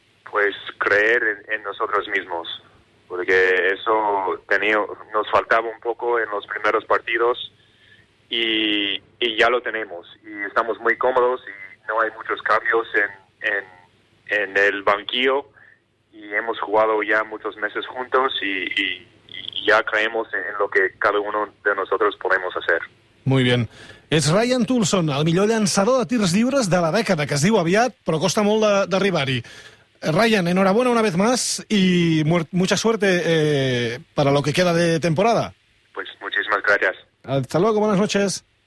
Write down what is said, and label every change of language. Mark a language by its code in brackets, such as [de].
[es] Pues creer en nosotros mismos. Porque eso nos faltaba un poco en los primeros partidos y ya lo tenemos. Y estamos muy cómodos y no hay muchos cambios en el banquillo. Y hemos jugado ya muchos meses juntos y ya creemos en lo que cada uno de nosotros podemos hacer. Muy bien. [ca] És Ryan Tulson, el millor llançador de tirs lliures de la dècada, que es diu aviat, però costa molt d'arribar-hi. [es] Ryan, enhorabuena una vez más y mucha suerte para lo que queda de temporada. Pues muchísimas gracias. Hasta luego, buenas noches.